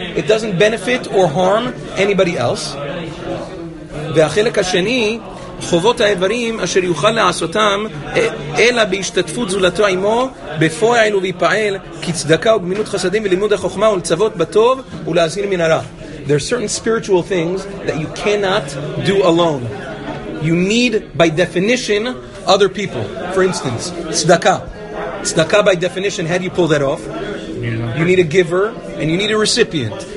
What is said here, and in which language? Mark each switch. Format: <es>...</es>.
<en>It doesn't benefit or harm anybody else.</en> <he>והחלק השני, חובות האיברים אשר יוכל לעשותם, אלא בהשתתפות זולתו עמו, בפועל ובפעל, כצדקה וגמילות חסדים ולימוד החוכמה ולצוות בטוב ולהזהיר מן הרע.</he> <en>There are certain spiritual things that you cannot do alone. You need, by definition, other people. For instance, tzedakah. Tzedakah, by definition, how do you pull that off? You need a giver and you need a recipient.</en>